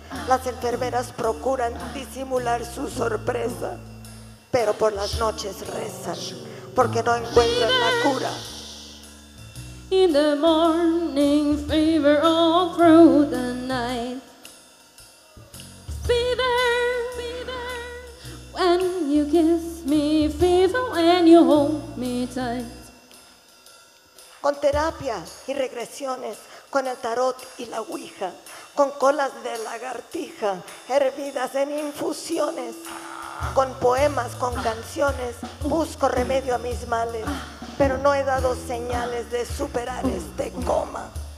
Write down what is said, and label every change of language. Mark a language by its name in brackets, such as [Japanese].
[Spanish] Las enfermeras procuran disimular su sorpresa, pero por las noches rezan porque no encuentran la cura. [English] In the morning, fever all through the night. Fever, fever, when you kiss me, fever, when you hold me tight. [Spanish] Con terapias y regresiones, con el tarot y la ouija, con colas de lagartija hervidas en infusiones. Con poemas, con canciones, busco remedio a mis males, pero no he dado señales de superar este coma.